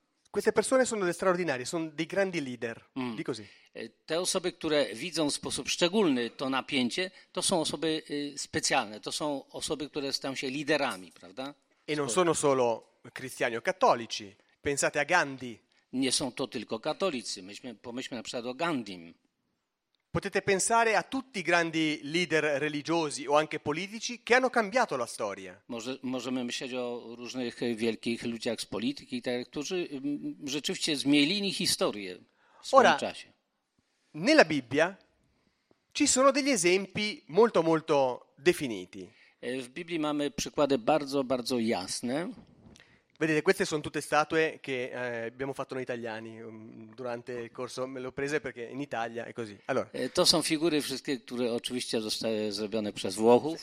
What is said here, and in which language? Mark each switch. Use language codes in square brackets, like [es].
[it] Queste persone sono delle straordinarie, sono dei grandi leader, di così. [pl] Te osoby, które widzą w sposób szczególny to napięcie, to są osoby specjalne, to są osoby, które stają się liderami, prawda? [it] E non sono solo cristiani o cattolici, pensate a Gandhi. [pl] Nie są to tylko katolicy, pomyślmy na przykład o Gandhim. [it] Potete pensare a tutti i grandi leader religiosi o anche politici che hanno cambiato la storia. [pl] Możemy myśleć o różnych wielkich ludziach z polityki, którzy rzeczywiście zmienili historię w swoim czasie. [it] Nella Bibbia ci sono degli esempi molto molto definiti. [pl] W Biblii mamy przykłady bardzo, bardzo jasne. [it] Vedete, queste sono tutte statue che abbiamo fatto noi italiani durante il corso. Me l'ho prese perché in Italia è così. Allora. [pl] To są figury wszystkie, które oczywiście zostały zrobione przez Włochów.